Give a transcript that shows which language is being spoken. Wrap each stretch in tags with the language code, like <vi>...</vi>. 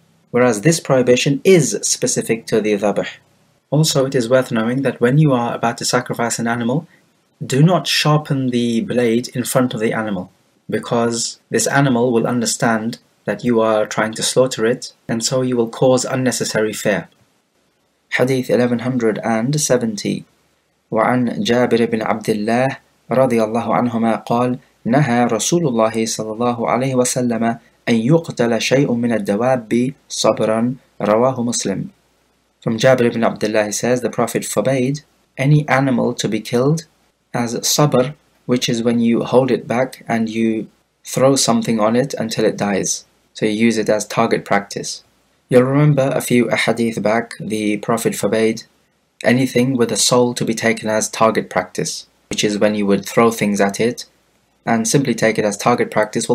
<en>Whereas this prohibition is specific to the dhabh. Also, it is worth knowing that when you are about to sacrifice an animal, do not sharpen the blade in front of the animal, because this animal will understand that you are trying to slaughter it, and so you will cause unnecessary fear. Hadith 1170.</en> <ar>وعن جابر بن عبد الله رضي الله عنهما قال نهى رسول الله صلى الله عليه وسلم أن يقتل شيء من الدواب صبرا رواه مسلم.</ar> <en>From Jabir ibn Abdullah, he says, the Prophet forbade any animal to be killed as sabr, which is when you hold it back and you throw something on it until it dies. So you use it as target practice. You'll remember a few ahadith back, the Prophet forbade anything with a soul to be taken as target practice, which is when you would throw things at it and simply take it as target practice.</en>